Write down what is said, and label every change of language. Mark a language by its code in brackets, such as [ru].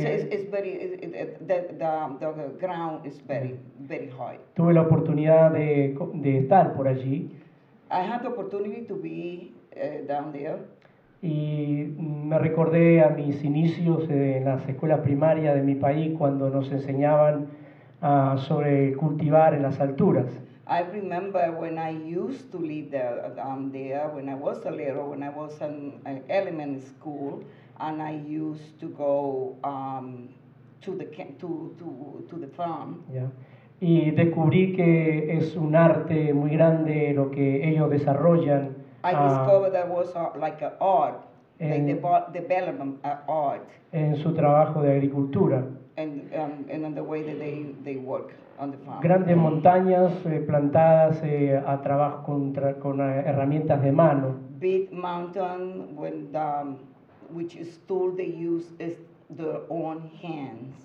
[en] it's very the ground is very very high. [es] Tuve la oportunidad de estar por allí. [en] I had the opportunity to be down there. [es] Y me recordé a mis inicios en las escuelas primarias de mi país cuando nos enseñaban sobre cultivar en las alturas. [en] I remember when I used to live there when I was a little when I was in elementary school. And I used to go to the farm. [es] Yeah. Y descubrí que es un arte muy grande lo que ellos desarrollan. [en] I discovered that was like an art, development art. [es] En su trabajo de agricultura. [en] And in the way that they work on the farm. [es] Grandes montañas plantadas a trabajo con herramientas de mano. [en] Big mountain with which is tool they use is their own hands.